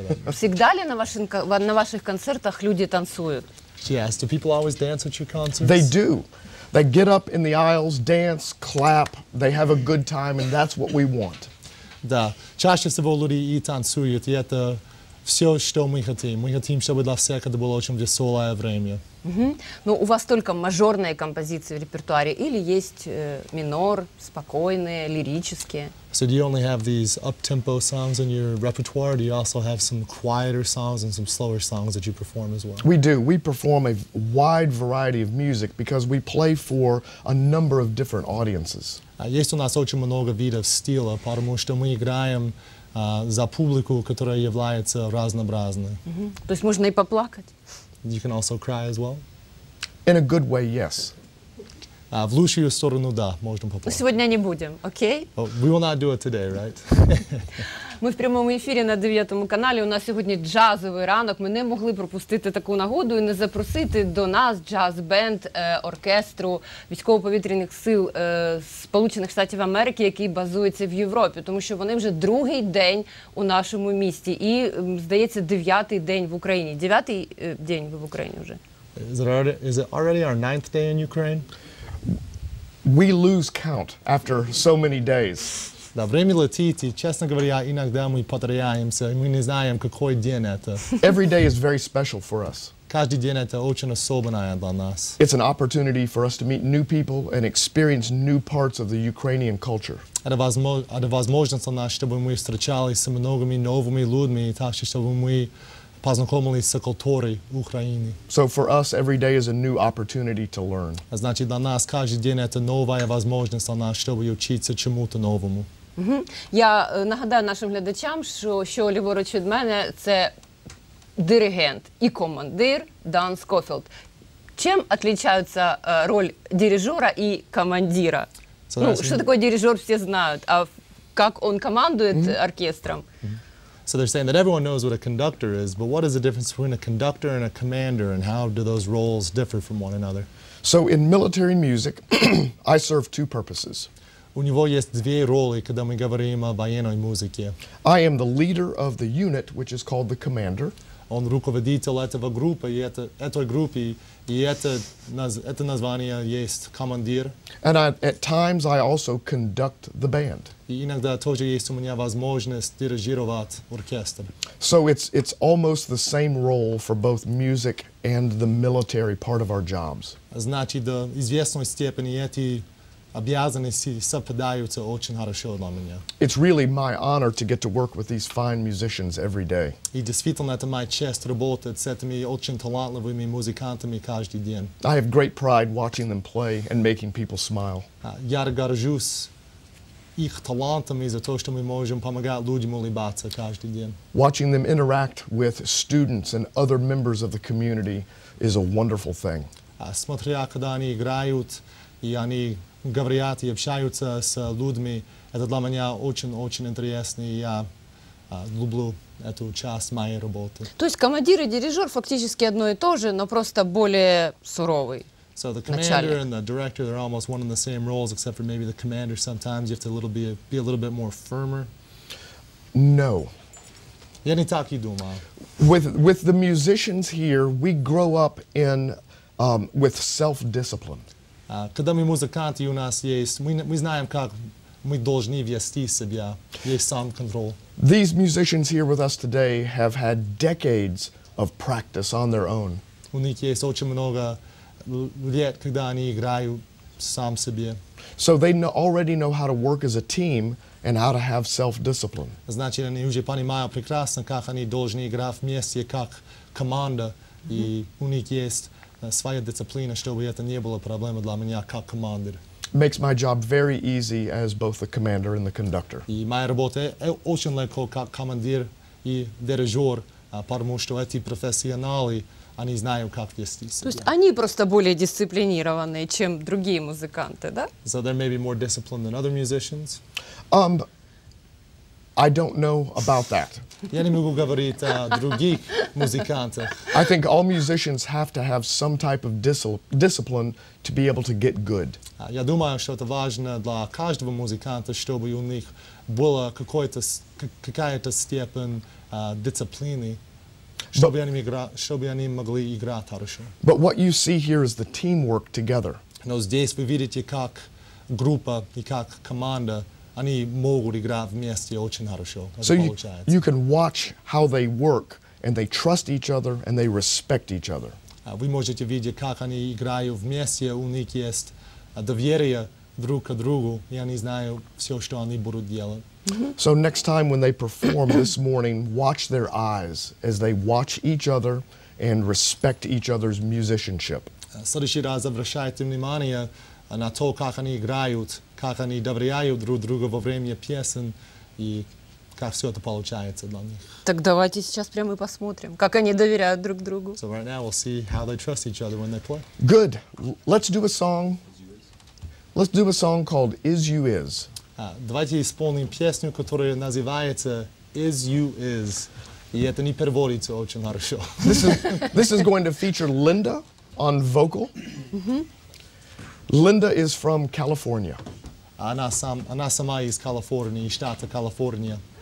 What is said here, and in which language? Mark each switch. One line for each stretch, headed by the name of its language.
Russian: Всегда ли на ваших концертах люди танцуют?
English: Yes, do people always dance at your concerts? They do. They get up in the aisles, dance, clap, they have a good time, and that's what we want.
Russian: Да, чаще всего люди и танцуют, и это все, что мы хотим. Мы хотим, чтобы для всех это было очень веселое время. Ну, у вас только мажорные композиции в репертуаре или есть минор, спокойные, лирические?
English: So do you only have these up-tempo songs in your repertoire, or do you also have some quieter songs and some slower songs that you perform as well? We do. We perform a wide variety of music because we play for a number of different audiences.
Russian: Есть у нас очень много видов стиля, потому что мы играем за публику, которая является разнообразной. То есть можно и поплакать?
English: You can also cry as well? In a good way, yes.
Russian: В лучшую сторону, да, можно поплакать. Но сегодня не будем, окей?
English: Okay? We will not do it today, right?
Russian: Мы в прямом
Ukrainian: ефірі на 9 каналі, у нас сьогодні джазовий ранок. Ми не могли пропустити таку нагоду і не запросити до нас джаз-бенд оркестру військово-повітряних сил Сполучених Штатів Америки, який базується в Європі, тому що вони вже другий день у нашому місті і, здається, дев'ятий день в Україні. Дев'ятий день ви в Україні вже.
English: Is it already our ninth day in Ukraine? We lose count after so many days.
Russian: Да, время летит, и, честно говоря, иногда мы потеряемся, и мы не знаем, какой день это.
English: Every day is very special for us.
Russian: Каждый день это очень особенное для нас.
English: It's an opportunity for us to meet new people and experience new parts of the Ukrainian culture.
Russian: Это возможность для нас, чтобы мы встречались с многими новыми людьми, и также, чтобы мы познакомились с культурой Украины.
English: So for us, every day is a new opportunity to learn.
Russian: Значит, для нас каждый день это новая возможность для нас, чтобы учиться чему-то новому.
Ukrainian: Я нагадаю нашим глядачам, що ліворуч від мене – це диригент і командир Дан Скофілд. Чим відрізняється роль дирижера і командира? So ну, що такое дирижер, всі знають, а як він командує оркестром?
English: So they're saying that everyone knows what a conductor is, but what is the difference between a conductor and a commander, and how do those roles differ from one another? So in military music, I serve two purposes.
Ukrainian: У нього є дві ролі, коли ми говоримо воєнної музики.
English: I am the leader of the unit, which is called the commander.
Russian: Он руководитель этого группы, и этой группы,
Ukrainian: і це названня є командир.
English: And at times I also conduct the band.
Ukrainian: І іноді теж є у мене можливість дирижувати оркестр.
English: So it's almost the same role for both music and the military part of our jobs.
Ukrainian: Значить, до звісної степені ці обов'язаності співпадаються дуже хорошо для мене.
English: It's really my honor to get to work with these fine musicians every day.
Ukrainian: І действительно, це моя честь роботи з цими дуже талантливими музикантами кожен день.
English: I have great pride watching them play and making people smile.
Ukrainian: Я горжусь їх талантами за те, що ми можемо допомагати людям улибатися кожен день.
English: Watching them interact with students and other members of the community is a wonderful thing.
Ukrainian: Смотря, коли вони грають, і вони говорять і общаються з людьми. Це для мене дуже-дуже інтересно, і я люблю цю частину моєї роботи. Тобто командир і дирижер фактично одно і те ж, але просто більш суровий начальник.
English: So the commander and the director, they're almost one in the same roles, except for maybe the commander sometimes, you have to be a little bit more firmer. No.
Russian: Я не так і думаю.
English: With the musicians here, we grow up in with self-discipline.
Ukrainian: Коли ми музиканти, у нас є, ми знаємо, як ми повинні вести себе, є самоконтроль.
English: These musicians here with us today have had decades of practice on their own.
Ukrainian: У них є дуже багато років, коли вони грають сам собі.
English: So they already know how to work as a team and how to have self-discipline.
Ukrainian: Значить, вони вже розуміють прекрасно, як вони повинні грати в місті, як команда, і у них є своя дисципліна, щоб це не було проблема для мене як командир.
English: Makes my job very easy as both the commander and the conductor.
Ukrainian: І моя робота дуже легко як командир і дирижер, тому що ці професіонали, вони знають, як вести себе. Тобто вони просто більш дисципліновані, ніж інші музиканти, так?
English: So they may be more disciplined than other musicians? I don't know about that.
Russian: Я не можу говорити про других музикантів.
English: I think all musicians have to have some type of discipline to be able to get good.
Ukrainian: Я думаю, що це важливо для кожного музиканта, щоб у них була якась степень дисципліни, щоб вони могли грати хорошо.
English: But what you see here is the teamwork together.
Russian: Но здесь
Ukrainian: ви бачите, як група і як команда вони можуть грати вместе дуже хорошо.
English: So you can watch how they work, and they trust each other, and they respect each other.
Ukrainian: Ви можете бачити, як вони грають вместе, у них є довір'я друг к другу, і вони знають все, що вони будуть робити.
English: So next time when they perform this morning, watch their eyes as they watch each other and respect each other's musicianship.
Ukrainian: Слідчий раз обращайте внимание на то, як вони грають, як вони добряють друг друга во время пісен і як все це виходить для них. Так давайте зараз прямо і посмотрим, як вони довіряють друг другу.
English: So right now we'll see how they trust each other when they play. Good. Let's do a song. Let's do a song called Is You Is.
Russian: Давайте исполним
Ukrainian: пісню, яка називається Is You Is. І це не переводиться дуже хорошо.
English: This is going to feature Linda on vocal. Linda is from California.
Russian: Она сама из Калифорнии, штата Калифорния.